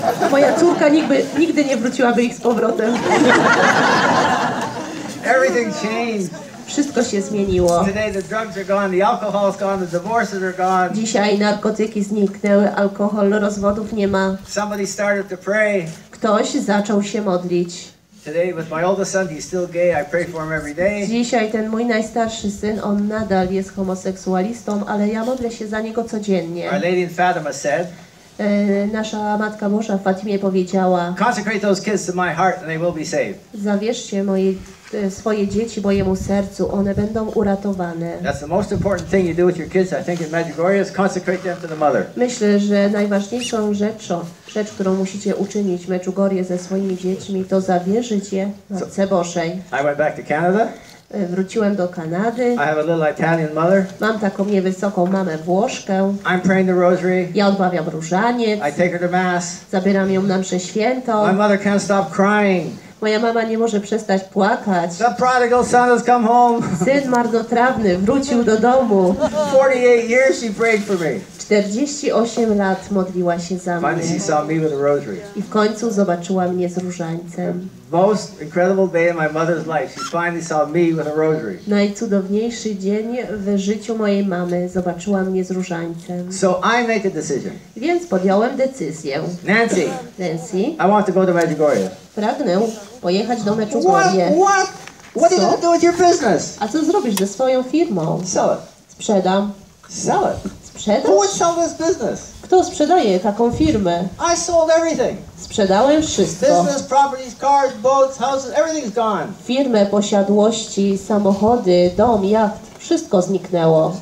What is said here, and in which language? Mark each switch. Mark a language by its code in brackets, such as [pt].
[pl] Moja córka nigdy nie wróciłaby ich z powrotem. [en] Everything changed. [pl] Wszystko się zmieniło. [en] Today the drugs are gone, the alcohol is gone, the divorces are gone. [pl] Dzisiaj narkotyki zniknęły, alkohol, rozwodów nie ma. [en] Somebody started to pray. [pl] Ktoś zaczął się modlić. [en] Today with my oldest son, he's still gay. I pray for him every day. [pl] Dzisiaj ten mój najstarszy syn, on nadal jest homoseksualistą, ale ja modlę się za niego codziennie. [en] Our lady in Fatima said. [pl] Nasza matka Boża w Fatimie powiedziała. [en] Consecrate those kids to my heart, and they will be saved. [pl] Zawierzcie swoje dzieci mojemu sercu, one będą uratowane. [en] That's the most important thing you do with your kids, I think, in Medjugorje, is consecrate them to the mother. [pl] Myślę, że najważniejszą rzecz, którą musicie uczynić w Medjugorje ze swoimi dziećmi, to zawierzyć je Matce Bożej. [en] I went back to Canada. [pl] Wróciłem do Kanady. [en] I have a little Italian mother. [pl] Mam taką niewysoką mamę Włoszkę. [en] I'm praying the rosary. [pl] Ja odmawiam różaniec. [en] I take her to mass. [pl] Zabieram ją na mszę świętą. [en] My mother can't stop crying. [pl] Moja mama nie może przestać płakać. [en] The prodigal son has come home. [pl] Syn marnotrawny wrócił do domu. [en] 48 years she prayed for me. [pl] 48 lat modliła się za mnie. [en] Finally she saw me with a rosary. [pl] I w końcu zobaczyła mnie z różańcem. [en] The most incredible day in my mother's life. She finally saw me with a rosary. [pl] Najcudowniejszy dzień w życiu mojej mamy. Zobaczyła mnie z różańcem. [en] So I made the decision. [pl] Więc podjąłem decyzję. [en] Nancy. I want to go to Medjugorje. [pl] Pragnę pojechać do Medjugorje. [en] What? What are you going to do with your business? [pl] A co zrobisz ze swoją firmą? [en] Sell it. [pl] Sprzedam. [en] Sell it. [pl] Sprzedam. [en] Who would sell this business? [pl] Kto sprzedaje taką firmę? [en] I sold everything. [pl] Sprzedałem wszystko. [en] Business, properties, cars, boats, houses, everything's gone. [pl] Firmę, posiadłości, samochody, dom, jacht, wszystko zniknęło.